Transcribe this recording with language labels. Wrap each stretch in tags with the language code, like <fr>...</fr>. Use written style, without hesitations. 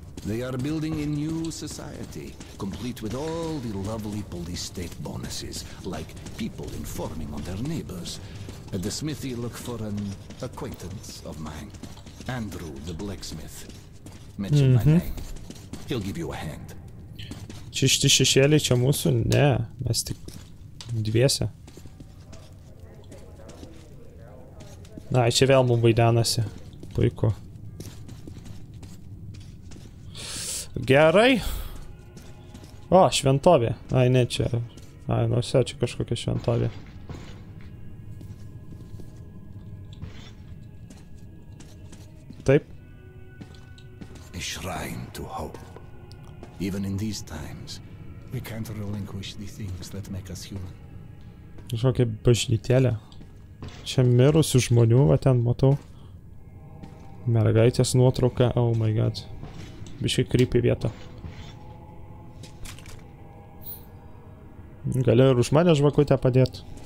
<en>They are building a new society, complete with all the lovely police state bonuses, like people informing on their neighbors. At the smithy, look for an acquaintance of mine, Andrew the blacksmith. Mention my name. He'll give you a hand.</en> <lt>Čia šitie šešėliai čia mūsų? Ne, mes tik dviese. Na, čia vėl mums vaidenasi. Puiku. Gerai. O, šventovė. Ai, ne, čia. Ai, nu, čia kažkokia šventovė. Taip.</lt> <en>A shrine to hope. Even in these times, we can't relinquish the things that make us human.</en> <lt>Kažkokia bažnytėlė. Čia mirusių žmonių, va ten matau. Mergaitės nuotrauka,</lt> <en>oh my god.</en> <lt>Biškai creepy vieta. Galiu ir už mane žvakutę padėti.</lt>